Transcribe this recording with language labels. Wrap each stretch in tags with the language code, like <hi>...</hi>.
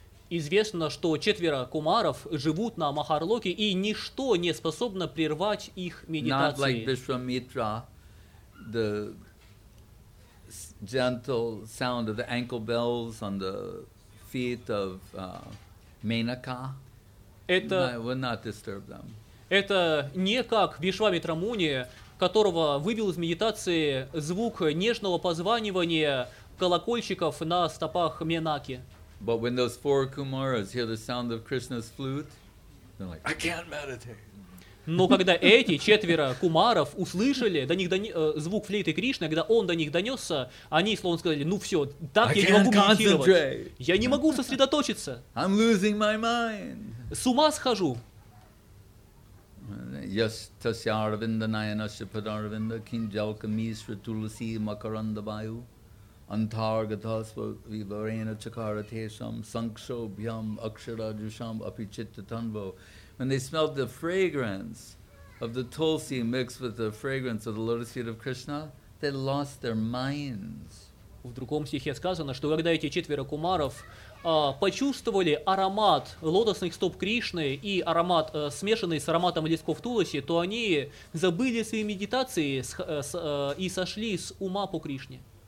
<ru>Известно, что четверо кумаров живут на Махар-Локе, и ничто не способно прервать их медитации.</ru> <en>Not like Vishwamitra, the gentle sound of the ankle bells on the feet of Menaka.</en> <ru>Это</ru> <en>will not disturb them.</en> <ru>Это не как Вишвамитра Муни, которого вывел из медитации звук нежного позванивания колокольчиков на стопах Менаки.</ru> <en>But when those four Kumaras hear the sound of Krishna's flute, they're like, I can't meditate.</en> <ru>Но когда эти четверо кумаров услышали до них звук флейты Кришны, когда он до них донесся, они словно сказали: ну все, так я не могу медитировать. Я не могу сосредоточиться.</ru> <en>I'm losing my mind.</en> <ru>С ума схожу.</ru> <sa>Yastasya Arvinda Nayana Shripad Arvinda Kinjalka Misra Tulasi Makaranda Vayu Antargatasva Vivarena Chakara Tesham Sanksho Bhyam Akshara Jusham Apichitta Tanvo.</sa> <en>When they smelled the fragrance of the tulsi mixed with the fragrance of the lotus feet of Krishna, they lost their minds.</en> <ru>В другом стихе сказано, что когда эти четверо кумаров почувствовали аромат лотосных стоп Кришны и аромат, смешанный с ароматом лисков Туласи, то они забыли свои медитации и сошли с ума по Кришне.</ru>